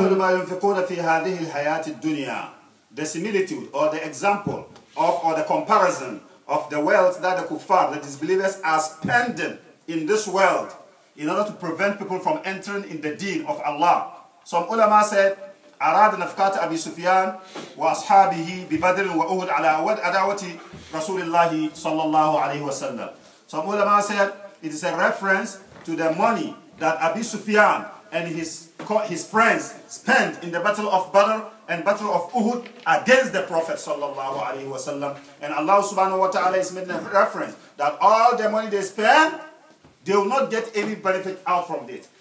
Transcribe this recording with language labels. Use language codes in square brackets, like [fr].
[ar] مثل ما ينفقون في هذه الحياة الدنيا. [en] The similitude or the example of or the comparison of the wealth that the kuffar, the disbelievers, are spending in this world in order to prevent people from entering in the deen of Allah. Some ulama said, [ar] أراد نفقات أبي سفيان وأصحابه ببدر وأهد على عداوة رسول الله صلى الله عليه وسلم. [en] Some ulama said, it is a reference to the money that Abi Sufyan and his friends spent in the battle of Badr and battle of Uhud against the Prophet sallallahu alaihi wasallam. And Allah subhanahu wa ta'ala is making a reference that all the money they spend, they will not get any benefit out from it.